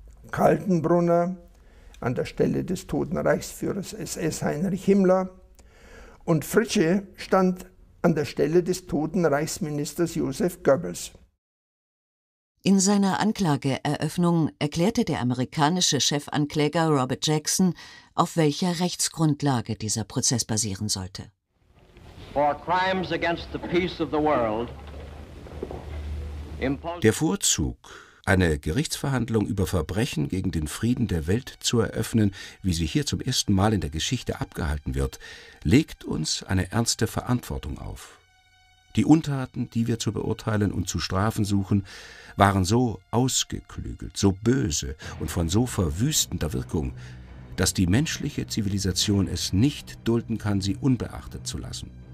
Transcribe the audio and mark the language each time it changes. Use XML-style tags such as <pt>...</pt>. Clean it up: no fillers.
<de>Kaltenbrunner an der Stelle des toten Reichsführers SS Heinrich Himmler und Fritzsche stand an der Stelle des toten Reichsministers Josef Goebbels. In seiner Anklageeröffnung erklärte der amerikanische Chefankläger Robert Jackson, auf welcher Rechtsgrundlage dieser Prozess basieren sollte.</de> <en>For crimes against the peace of the world.</en> <de>Der Vorzug, eine Gerichtsverhandlung über Verbrechen gegen den Frieden der Welt zu eröffnen, wie sie hier zum ersten Mal in der Geschichte abgehalten wird, legt uns eine ernste Verantwortung auf. Die Untaten, die wir zu beurteilen und zu strafen suchen, waren so ausgeklügelt, so böse und von so verwüstender Wirkung, dass die menschliche Zivilisation es nicht dulden kann, sie unbeachtet zu lassen.</de>